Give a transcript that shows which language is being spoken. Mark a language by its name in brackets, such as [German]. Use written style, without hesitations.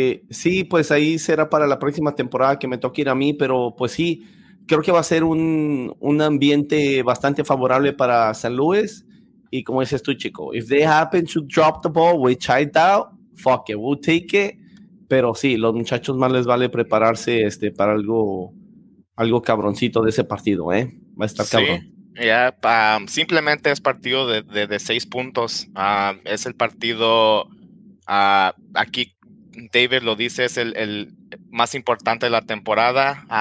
[Spanish] Sí, pues ahí será para la próxima temporada que me toque ir a mí, pero pues sí, creo que va a ser un ambiente bastante favorable para St. Louis. Y como dices tú, chico, [English] if they happen to drop the ball, which I doubt, fuck it, we'll take it. [Spanish] Pero sí, los muchachos más les vale prepararse para algo cabroncito de ese partido, ¿eh? Va a estar cabrón. Sí, simplemente es partido de 6 puntos. Es el partido, aquí David lo dice, es el más importante de la temporada.